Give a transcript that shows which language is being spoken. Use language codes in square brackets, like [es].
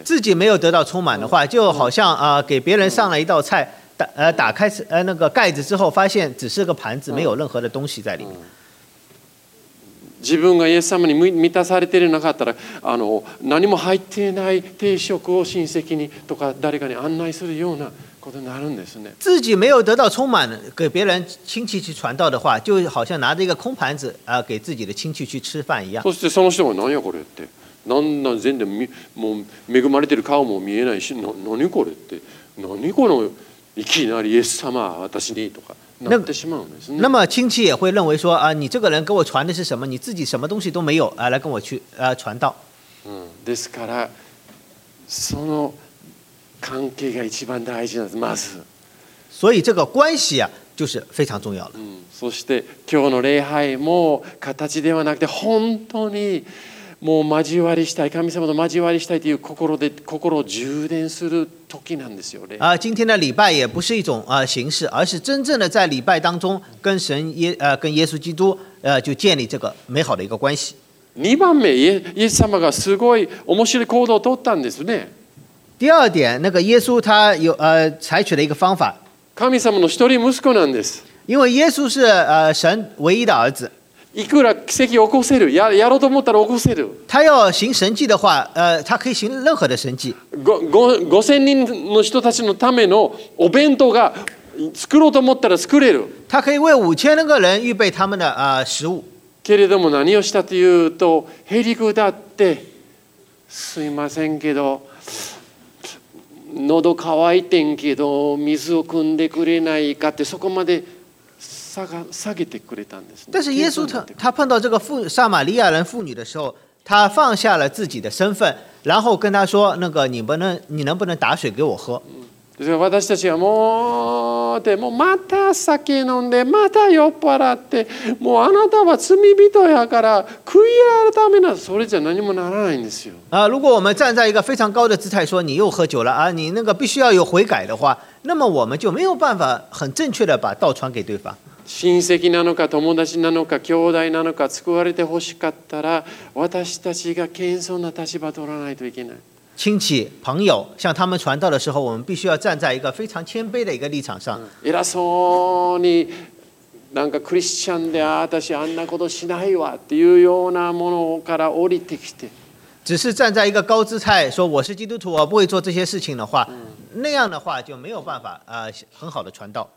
[zh] 自己没有得到充满的话，就好像给别人上了一道菜，打开那个盖子之后发现只是个盘子，没有任何的东西在里面。 [ja] 自分がイエス様に満たされていなかったら何も入っていない定食を親戚にとか誰かに案内するようなことになるんですね。 [zh] 自己没有得到充满给别人亲戚去传道的话，就好像拿着一个空盘子给自己的亲戚去吃饭一样。 [ja] そしてその人は何やこれって、何なん全然もう恵まれてる顔も見えないし、何これって、何このいきなりイエス様私にとか。 [zh] 那么亲戚也会认为说你这个人给我传的是什么？你自己什么东西都没有来跟我去传道。 [ja] ですからその関係が一番大事なんです。まず。 [zh] 所以这个关系啊就是非常重要的。 [ja] そして今日の礼拝も形ではなくて本当にもう交わりしたい神様と交わりしたいという心を充電する時なんですよ。 [zh] 今天的礼拜也不是一种形式，而是真正的在礼拜当中跟神跟耶稣基督就建立这个美好的一个关系。 [ja] 2番目イエス様がすごい面白い行動を取ったんですね。 [zh] 第二点，那个耶稣他有采取了一个方法。 [ja] 神様の一人息子なんです。 [zh] 因为耶稣是神唯一的儿子。 [ja] いくら奇跡起こせる、やろうと思ったら起こせる。 [zh] 他要行神迹的话，他可以行任何的神迹。 [ja] 5000人の人たちのためのお弁当が作ろうと思ったら作れる。 [zh] 他可以为5000个人预备他们的食物。 [ja] けれども何をしたというと、へりくだって、すいませんけど、喉乾いてんけど水を汲んでくれないかってそこまで。下げてくれたんですね。 [zh] 但是耶稣 他碰到这个撒玛利亚人妇女的时候，他放下了自己的身份，然后跟他说：“那个你能不能打水给我喝？” [ja] 私たちはもうでもまた酒飲んでまた酔っ払ってもうあなたは罪人やから悔い改めなそれじゃ何もならないんですよ。 [zh] 如果我们站在一个非常高的姿态说你又喝酒了你那个必须要有悔改的话，那么我们就没有办法很正确的把道传给对方。 [ja] 親戚なのか友達なのか兄弟なのか救われてほしかったら私たちが謙遜な立場を取らないといけない。 [zh] 亲戚、朋友向他们传道的时候，我们必须要站在一个非常谦卑的一个立场上。 [ja] 偉そうになんかクリスチャンで私あんなことしないわっていうようなものから降りてきて [zh] 只是站在一个高姿态说我是基督徒我不会做这些事情的话、嗯、那样的话就没有办法、很好的传道